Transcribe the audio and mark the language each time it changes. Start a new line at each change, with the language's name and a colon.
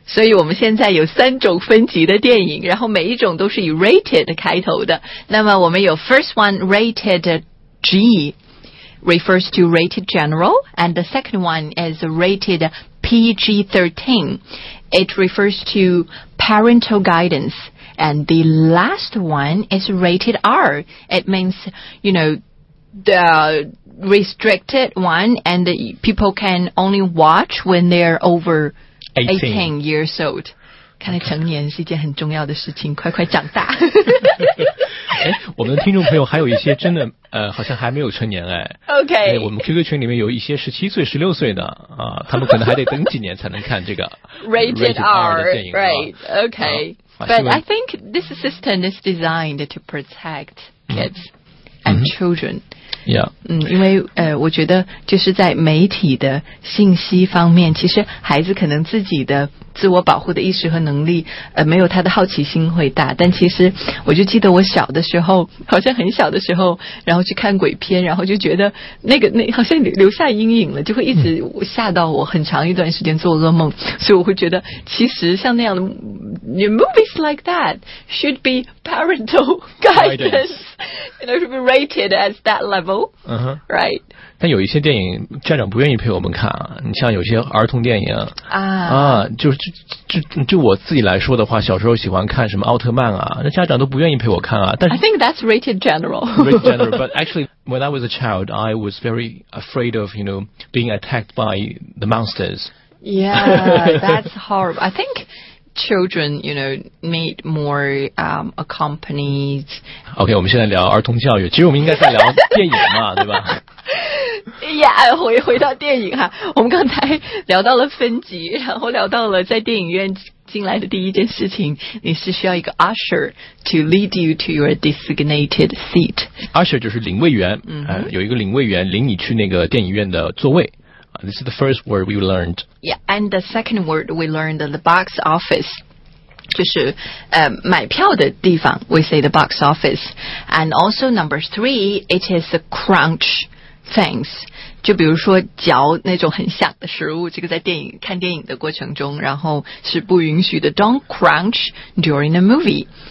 Chinese: 所以我们现在有三种分级的电影，然后每一种都是以 rated 开头的。那么我们有
English: first one rated G refers to rated general, and the second one is rated PG-13. It refers to parental guidance. And the last one is rated R. It means, you know, the restricted one, and people can only watch when they're over 18 years old.
Chinese: 看来成年是一件很重要的事情，快快长大。我们的听众朋友还有一些真的好像还没有成年哎。
English: OK。
Chinese: 我们 QQ 群里面有一些17岁、16岁的他们可能还得等几年才能看这个
English: rated
Chinese: R 的电影。
English: Right, OK. But I think this system is designed to protect kids and children. Yeah.
Chinese: 因为我觉得就是在媒体的信息方面，其实孩子可能自己的自我保护的意识和能力没有他的好奇心会大，但其实我就记得我小的时候，好像很小的时候，然后去看鬼片，然后就觉得那好像留下阴影了，就会一直吓到我很长一段时间做噩梦，所以我会觉得其实像那样的
English: movies like that should be parental guidance, you know, should be rated at that level, right?
Chinese: 但有一些电影家长不愿意陪我们看啊，你像有些儿童电影啊，就我自己来说的话，小时候喜欢看什么奥特曼啊，那家长都不愿意陪我看啊。但是
English: I think that's rated general. Rated general, but actually, when I was a child, I was very afraid of, you know, being attacked by the monsters. Yeah, that's horrible. I think children, you know, need more accompanied.
Chinese: Okay, 我们现在聊儿童教育，其实我们应该在聊电影嘛，对吧？ Yeah, 回到电影哈，我们刚才聊到了分级，然后聊到了在电影院进来的第一件事情，你是需要一个
English: usher to lead you to your designated seat.
Chinese: Usher 就是领位员，有一个领位员领你去那个电影院的座位。
English: This is the first word we learned. Yeah, and the second word we learned, the box office.
Chinese: 就是买票的地方
English: we say the box office and also number three it is a crunch things
Chinese: 就比如说嚼那种很响的食物这个在电影看电影的过程中然后是不允许的
English: don't crunch during the movie